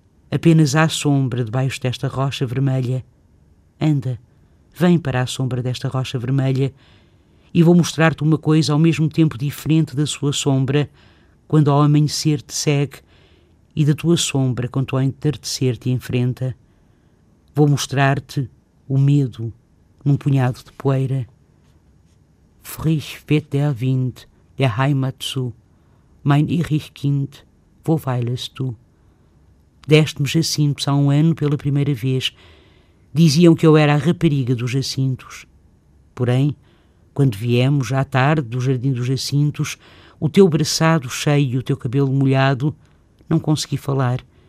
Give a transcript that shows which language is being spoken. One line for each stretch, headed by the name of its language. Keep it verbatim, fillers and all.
Portuguese: Apenas há sombra debaixo desta rocha vermelha. Anda, vem para a sombra desta rocha vermelha e vou mostrar-te uma coisa ao mesmo tempo diferente da sua sombra, quando ao amanhecer te segue, e da tua sombra quando ao entardecer te enfrenta. Vou mostrar-te o medo num punhado de poeira.
German: Frisch weht der Wind, der Heimat zu. Mein irrig Kind, wo weilest du?
Portuguese: Deste-me jacintos há um ano pela primeira vez. Diziam que eu era a rapariga dos jacintos. Porém, quando viemos, à tarde, do jardim dos jacintos, o teu braçado cheio e o teu cabelo molhado, não consegui falar.